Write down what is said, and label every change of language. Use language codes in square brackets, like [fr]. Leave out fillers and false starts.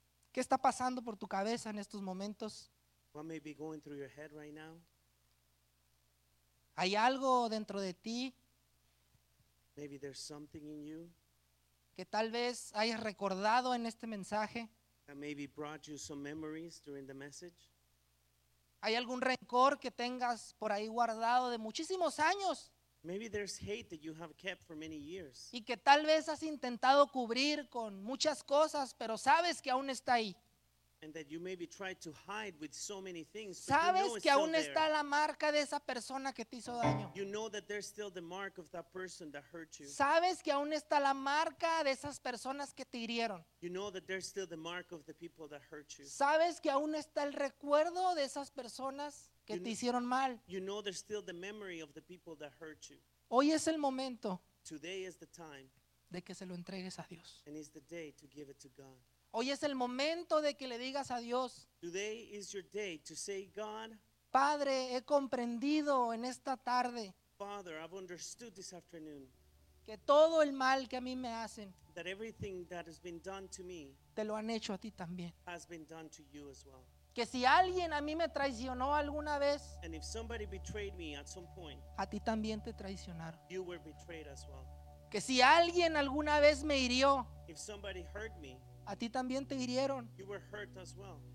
[es] ¿Qué está pasando por tu cabeza en estos momentos? [en] What may be going through your head right now? [es] Hay algo dentro de ti. [en] Maybe there's something in you. [es] Que tal vez hayas recordado en este mensaje. [en] That maybe brought you some memories during the message. [es] Hay algún rencor que tengas por ahí guardado de muchísimos años. [en] Maybe there's hate that you have kept for many years. [es] Y que tal vez has intentado cubrir con muchas cosas, pero sabes que aún está ahí. [en] And that you maybe tried to hide with so many things. [es] Sabes que aún está la marca de esa persona que te hizo daño. [en] You know that there's still the mark of that person that hurt you. [es] Sabes que aún está la marca de esas personas que te hirieron. [en] You know that there's still the mark of the people that hurt you. [es] Sabes que aún está el recuerdo de esas personas que te hicieron mal. [en] You know there's still the memory of the people that hurt you. [es] Hoy es el momento. [en] Today is the time. [es] De que se lo entregues a Dios. [en] And it's the day to give it to God. [es] Hoy es el momento de que le digas a Dios. [en] Today is your day to say, God, [es] Padre, he comprendido en esta tarde. [en] Father, I've understood this afternoon. [es] Que todo el mal que a mí me hacen. [en] That everything that has been done to me. [es] Te lo han hecho a ti también. [en] Has been done to you as well. [es] Que si alguien a mí me traicionó alguna vez. [en] And if somebody betrayed me at some point. [es] A ti también te traicionaron. [en] You were betrayed as well. [es] Que si alguien alguna vez me hirió. [en] If somebody hurt me. [es] A ti también te hirieron. [en] You were hurt as well.